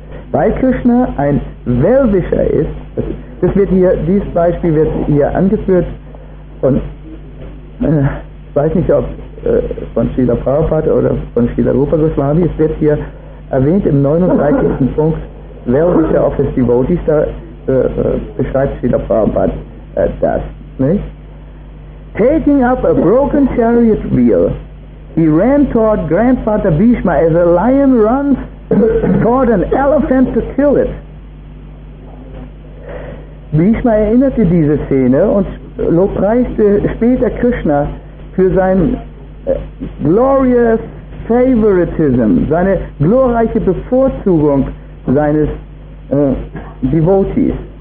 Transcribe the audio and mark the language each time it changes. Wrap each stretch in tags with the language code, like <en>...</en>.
<de>Weil Krishna ein Welwischer ist, dieses Beispiel wird hier angeführt und ich weiß nicht, ob von Srila Prabhupada oder von Srila Rupa Goswami, es wird hier erwähnt im 39. Punkt, Welwischer</de> <en>of his Devotees,</en> <de>da beschreibt Srila Prabhupada das, nicht?</de> <en>Taking up a broken chariot wheel, he ran toward Grandfather Bhishma as a lion runs toward an elephant to kill it.</en> <de>Bhishma erinnerte diese Szene und lobpreiste später Krishna für sein</de> <en>glorious favoritism,</en> <de>seine glorreiche Bevorzugung seines Devotees.</de>